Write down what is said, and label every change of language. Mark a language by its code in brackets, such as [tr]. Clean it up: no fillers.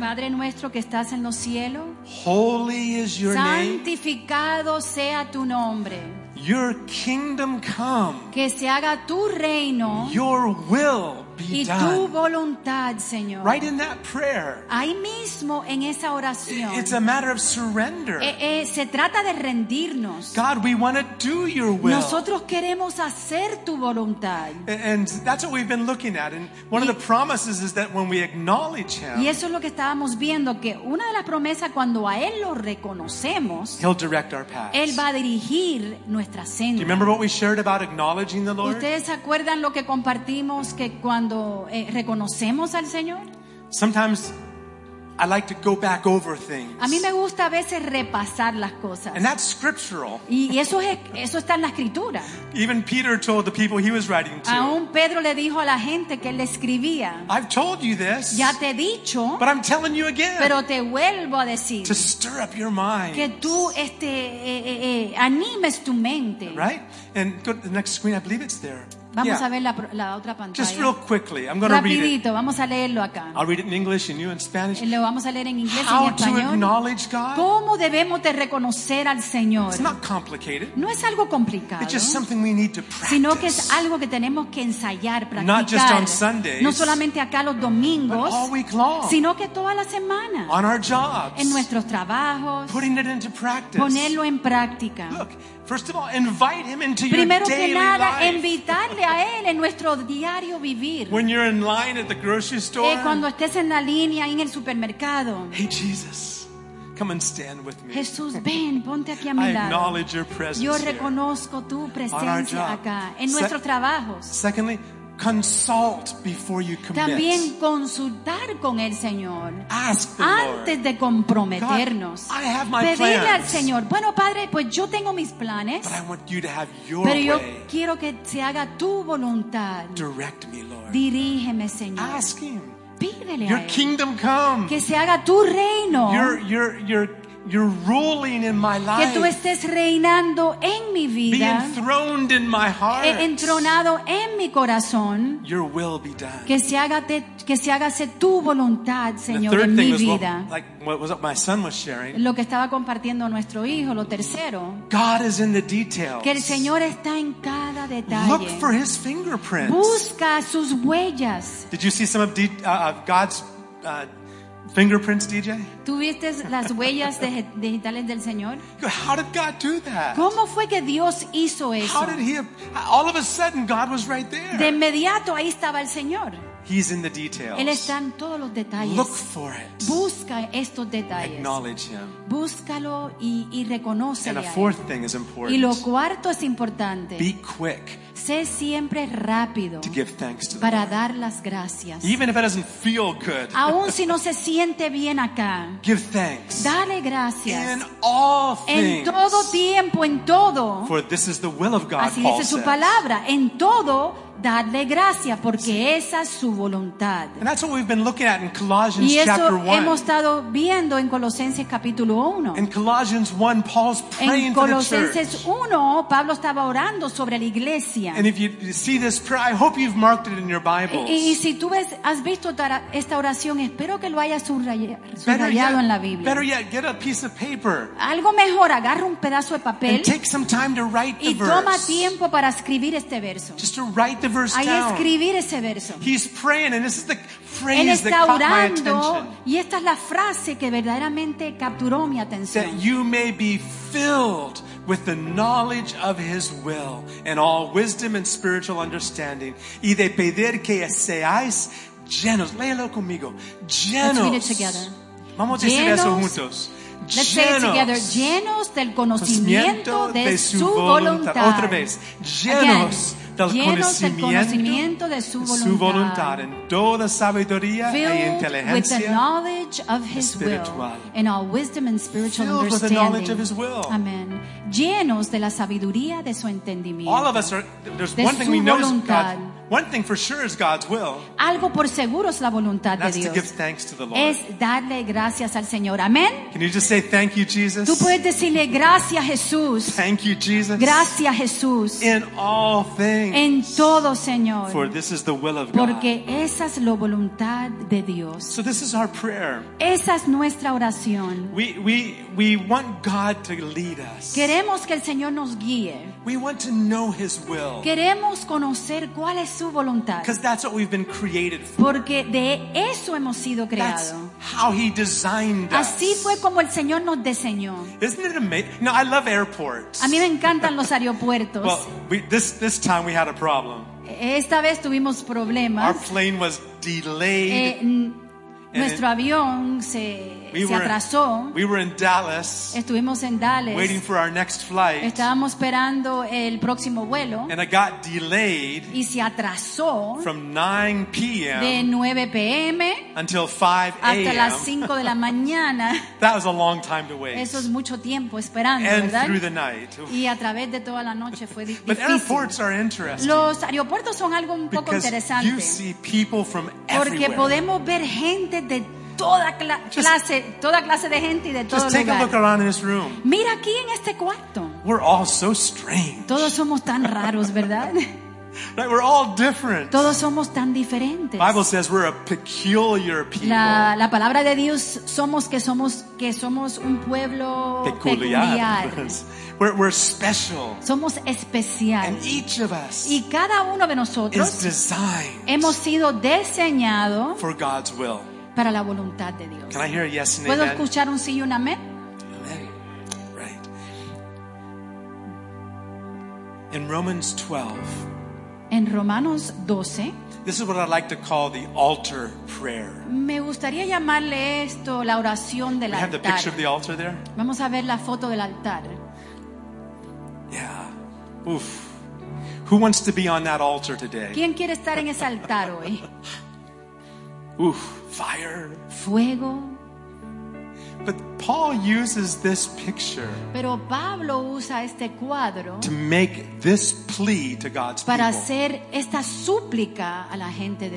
[es] Madre nuestro que estás en los cielos. [en] Holy is your name. [es] Santificado sea tu nombre. [en] Your kingdom come. [es] Que se haga tu reino. [en] Your will be done. [es] Y tu voluntad, Señor. [en] Right in that prayer. [es] Ahí mismo en esa oración. [en] It's a matter of surrender. [es] Se trata de rendirnos. [en] God, we want to do your will. [es] Nosotros queremos hacer tu voluntad. [en] And that's what we've been looking at. And one of the promises is that when we acknowledge him. [es] Y eso es lo que estábamos viendo, que una de las promesas cuando a él lo reconocemos, [en] he'll direct our paths. [es] Él va a dirigir nuestra senda. [en] Do you remember what we shared about acknowledging the Lord? [es] ¿Ustedes se acuerdan lo que compartimos que cuando reconocemos al Señor? [en] Sometimes I like to go back over things. [es] A mí me gusta a veces repasar las cosas. [en] And that's scriptural. [es] Y eso está en la escritura. [en] Even Peter told the people he was writing to. [es] Aún Pedro le dijo a la gente que él escribía. [en] I've told you this. [es] Ya te he dicho. [en] But I'm telling you again. [es] Pero te vuelvo a decir. [en] To stir up your mind. [es] Que tú animes tu mente. [en] Right? And go to the next screen. I believe it's there. [es] Vamos a ver la otra pantalla. [en] Just real quickly, I'm going to read it. [es] Rapidito, vamos a leerlo acá. [en] I'll read it in English and you in Spanish. [es] Lo vamos a leer en inglés y en español. [en] How to acknowledge God? [es] ¿Cómo debemos de reconocer al Señor? [en] It's not complicated. [es] No es algo complicado. [en] It's just something we need to practice. [es] Sino que es algo que tenemos que ensayar, practicar. [en] Not just on Sundays. [es] No solamente acá los domingos. [en] But all week long. [es] Sino que toda la semana. [en] On our jobs. [es] En nuestros trabajos. [en] Putting it into practice. [es] Ponerlo en práctica. [en] Look. First of all, invite him into [es] Primero [en] your daily [es] que nada, [en] life. [es] Invitarle a él en nuestro diario vivir. [en] When you're in line at the grocery store. [es] Cuando estés en la línea en el supermercado. [en] Hey Jesus, come and stand with me. [es] Jesús, ven, ponte aquí a mi lado. [en] I acknowledge your presence. [es] Yo reconozco [en] here. [es] Tu presencia acá en nuestros trabajos. [en] Secondly, consult before you commit. [es] También consultar con el Señor. [en] Ask the [es] antes [en] Lord. [es] De comprometernos. [en] God, I have my [es] pedirle [en] plans. [es] Al Señor. Bueno, Padre, pues yo tengo mis planes. [en] But I want you to have your [es] pero yo [en] way. [es] Quiero que se haga tu voluntad. [en] Direct me, Lord. [es] Dirígeme, Señor. [en] Ask him. [es] Pídele [en] your [es] a él. [en] Kingdom come. [es] Que se haga tu reino. [en] Your you're ruling in my life. [es] Que tú estés reinando en mi vida. [en] Be enthroned in my heart. [es] Entronado en mi corazón. [en] Your will be done. [es] Que se hágase tu voluntad, Señor, en mi vida. [en] What my son was sharing. [es] Lo que estaba compartiendo nuestro hijo, lo tercero. [en] God is in the details. [es] Que el Señor está en cada detalle. [en] Look for his fingerprints. [es] Busca sus huellas. [en] Did you see some of God's fingerprints, DJ? [es] ¿Tuviste las huellas digitales del Señor? [en] How did God do that? [es] ¿Cómo fue que Dios hizo eso? [en] How did he, all of a sudden God was right there. [es] De inmediato ahí estaba el Señor. [en] He's in the details. [es] Él está en todos los detalles. [en] Look for it. [es] Busca estos detalles. [en] Acknowledge him. [es] Búscalo y reconócelo. [en] And a fourth thing is important. [es] Y lo cuarto es importante. [en] Be quick. [es] Sé siempre rápido [en] to give thanks to the [es] para [en] Lord. [es] Dar las gracias. [en] Even if it doesn't feel good. [es] Aun si no se siente bien acá. [en] Give thanks. [es] Dale gracias. [en] In all things. [es] En todo tiempo, en todo. [en] For this is the will of God. [es] Así dice su palabra. En todo. Dadle gracias porque esa es su voluntad. [en] And that's what we've been looking at in Colossians [es] y eso [en] chapter 1. [es] Hemos estado viendo en Colosenses capítulo 1. [en] In Colossians 1, Paul's praying [es] en Colosenses [en] for the church. [es] 1, Pablo estaba orando sobre la iglesia. [en] And if you see this prayer, I hope you've marked it in your Bibles. [es] Y si tú has visto esta oración, espero que lo hayas subrayado en la Biblia. [en] Better yet, get a piece of paper. [es] Algo mejor, agarra un pedazo de papel. [en] And take some time to write the [es] y toma [en] verse. [es] Tiempo para escribir este verso. [en] Just to write the verse down. [es] Ahí escribir ese verso. [en] He's praying, and this is the phrase that caught my attention. [es] Y esta es la frase que verdaderamente capturó mi atención. [en] That you may be filled with the knowledge of his will and all wisdom and spiritual understanding. [es] Y de pedir que seáis llenos. Léelo conmigo. Llenos. [en] Let's read it together. [es] Vamos a decir llenos. Eso juntos. [en] Let's say it together. [es] Llenos del conocimiento de su voluntad. Otra vez. Llenos. [en] Again. [es] Del conocimiento de su voluntad en toda sabiduría e inteligencia [en] filled with the knowledge of his will and all wisdom and spiritual filled understanding with the knowledge of his will. Amen. [es] Llenos de la sabiduría de su entendimiento. [en] All of us are, there's one thing we know is God. One thing for sure is God's will. [es] Algo por seguro es la voluntad de Dios. [en] To give thanks to the Lord. [es] Es darle gracias al Señor. [en] Amen. Can you just say thank you, Jesus? [es] Tú puedes decirle gracias, Jesús. [en] Thank you, Jesus. [es] Gracias, Jesús. [en] In all things. [es] En todo, Señor. [en] For this is the will of [es] porque [en] God. [es] Porque esa es la voluntad de Dios. [en] So this is our prayer. [es] Esa es nuestra oración. [en] We want God to lead us. [es] Queremos que el Señor nos guíe. [en] We want to know his will. [es] Queremos conocer cuál es su voluntad. [en] Because that's what we've been created for. [es] Porque de eso hemos sido creados. [en] That's how he designed us. [es] Así fue como el Señor nos diseñó. [en] Isn't it amazing? No, I love airports. [es] A mí me encantan los aeropuertos. [en] Well, this time we had a problem. [es] Esta vez tuvimos problemas. [en] Our plane was delayed. [es] Nuestro avión se atrasó. [en] We were in Dallas. [es] Estuvimos en Dallas. [en] Waiting for our next flight. [es] Estábamos esperando el próximo vuelo. [en] And it got delayed. [es] Y se atrasó. [en] From 9 p.m. [es] De 9 p.m. [en] Until 5 a.m. [es] Hasta las 5 de la mañana. [en] That was a long time to wait. [es] Eso es mucho tiempo esperando, [en] and [es] ¿verdad? [en] And through the night. [es] Y a través de toda la noche fue difícil. [en] But airports are interesting. [es] Los aeropuertos son algo un poco interesante. [en] You see people from everywhere. [es] Porque podemos ver gente de toda clase de gente y de todo lugar. [en] Just take [es] lugar. [en] A look around in this room. [es] Mira aquí en este cuarto. [en] We're all so strange. [es] Todos somos tan raros, ¿verdad? [en] Right, we're all different. [es] Todos somos tan diferentes. [en] The Bible says we're a peculiar people. [es] La palabra de Dios somos un pueblo peculiar. [en] We're special. [es] Somos especiales. [en] And each of us [es] y cada uno de nosotros [en] is designed [es] hemos sido diseñado [en] for God's will. [es] Para la voluntad de Dios. [en] Can I hear a yes and [es] ¿puedo [en] amen? [es] Escuchar un sí y un amén? [en] Amen. Right. In Romans 12. [es] En Romanos 12. [en] This is what I like to call the altar prayer. [es] Me gustaría llamarle esto la oración del altar. [en] We have the picture of the altar there. [es] Vamos a ver la foto del altar. [en] Yeah. Oof. Who wants to be on that altar today? [es] ¿Quién quiere estar en ese altar hoy? [en] Oof. Fire. [es] Fuego. [en] But Paul uses this picture, [es] pero Pablo usa este cuadro, [en] to make this plea to God's [es] para [en] people. [es] Hacer esta súplica a la gente de